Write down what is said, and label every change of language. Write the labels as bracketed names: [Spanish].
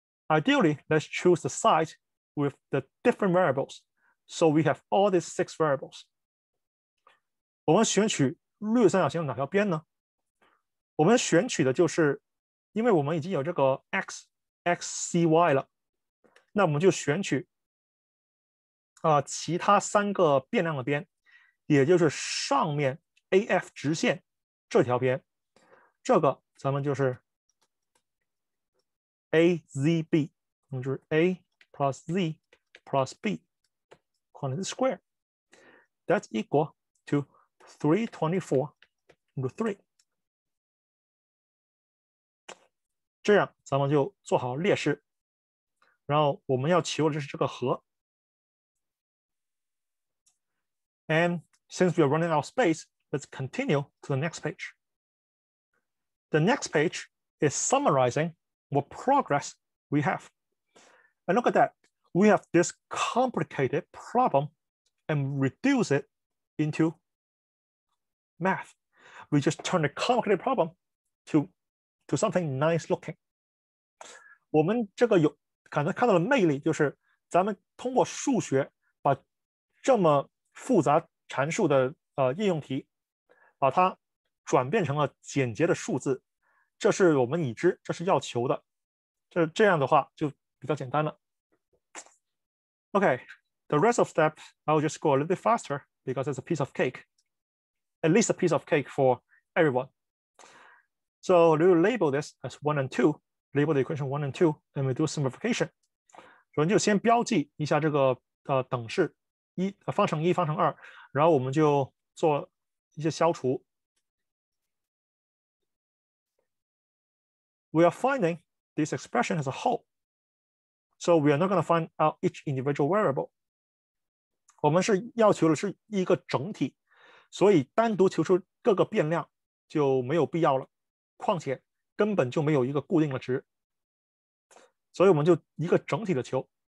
[English] Ideally, let's choose the side with the different variables. So we have all these 6 variables. [Chinese] 我们选取绿三角形哪条边呢？我们选取的就是，因为我们已经有这个 x, x, c, y 了，那我们就选取其他三个变量的边，也就是上面 AF 直线这条边，这个。咱们就是 AZB, 我们就是 [English] A plus Z plus B, quantity square. That's equal to 324 root 3. [Chinese] 这样咱们就做好列式，然后我们要求的是这个和。 [English] And since we are running out of space, let's continue to the next page. The next page is summarizing what progress we have. And look at that. We have this complicated problem and reduce it into math. We just turn the complicated problem to something nice looking. [Chinese] 我们这个有可能看到的魅力，就是咱们通过数学把这么复杂函数的应用题，把它转变成了简洁的数字，这是我们已知，这是要求的，这样的话就比较简单了。 [English] Okay, the rest of steps I'll just go a little bit faster because it's a piece of cake, at least a piece of cake for everyone. So we label this as 1 and 2, label the equation 1 and 2, and we do simplification. [Chinese] 我们就先标记一下这个等式一方程一方程二，然后我们就做一些消除。 [English] We are finding this expression as a whole. So we are not going to find out each individual variable. [Chinese] 我们是要求的是一个整体，所以单独求出各个变量就没有必要了。况且根本就没有一个固定的值，所以我们就一个整体的求。